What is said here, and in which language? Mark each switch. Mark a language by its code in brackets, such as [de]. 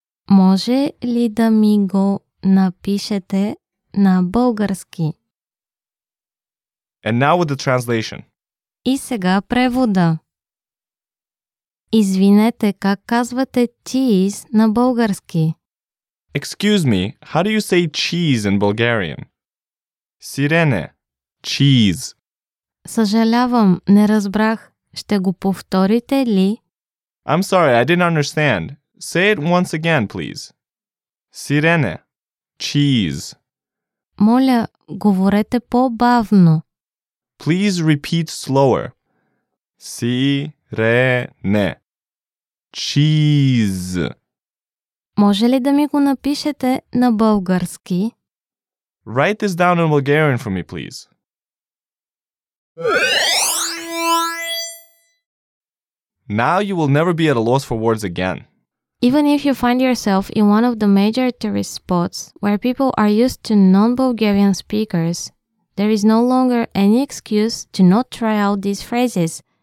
[bg] Може ли да ми го напишете на български? [en] And now with the translation. [bg] И сега превода. Извинете, как казвате cheese на български? [en] Excuse me, how do you say cheese in Bulgarian? [bg] Сирене. Cheese. Съжалявам, не разбрах. Ще го повторите ли? [en] I'm sorry, I didn't understand. Say it once again, please. [bg] Сирене. Cheese. Моля, говорете по-бавно. [en] Please repeat slower. [bg] Сирене. Cheese. Може ли да ми го напишете на български? [en] Write this down in Bulgarian for me, please. Now you will never be at a loss for words again. Even if you find yourself in one of the major tourist spots where people are used to non-Bulgarian speakers, there is no longer any excuse to not try out these phrases.